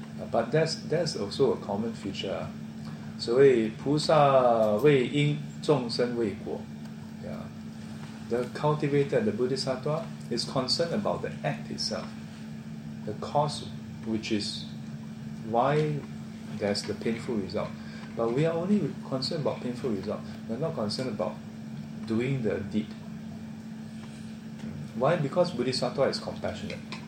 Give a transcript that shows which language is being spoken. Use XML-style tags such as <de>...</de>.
<en>But that's also a common feature.</en> <zh>So, 菩萨为因众生为果.</zh> <en>Yeah. The cultivator, the bodhisattva, is concerned about the act itself. The cause, which is why there's the painful result. But we are only concerned about painful result. We're not concerned about doing the deed. Why? Because bodhisattva is compassionate.</en>